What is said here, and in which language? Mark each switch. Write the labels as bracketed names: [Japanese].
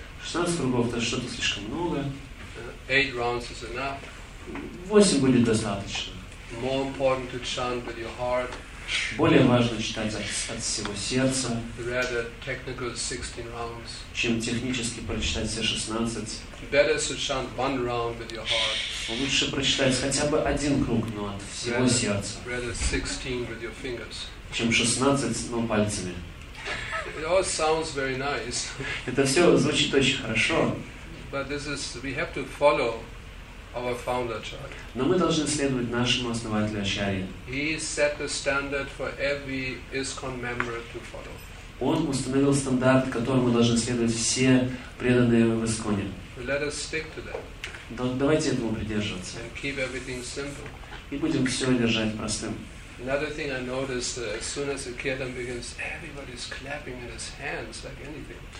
[Russian] 16 кругов это что-то слишком много. [English] 8 rounds is enough. [Russian] 8 будет достаточно. [English] More important to chant with your heart. [Russian] Более важно читать от всего сердца, [English] rather technical 16 rounds. [Russian] Чем технически прочитать все 16. [English] Better to chant one round with your heart. [Russian] Лучше прочитать хотя бы один круг, но от всего сердца. [English] Rather 16 with your fingers. [Russian] Чем 16, но пальцами. [English] It all sounds very nice. [Russian] Это все звучит очень хорошо. [English] But this is, we have to follow our founder Acharya. [Russian] Но мы должны следовать нашему основателю Ачарье. [English] He set the standard for every ISKCON member to follow. [Russian] Он установил стандарт, которому должны следовать все преданные в ИСККОНе. [English] Let us stick to that. [Russian] Давайте этому придерживаться. [English] And keep everything simple. [Russian] И будем все держать простым. [English] Another thing I noticed, as soon as the kirtan begins, everybody's clapping in his hands like anything.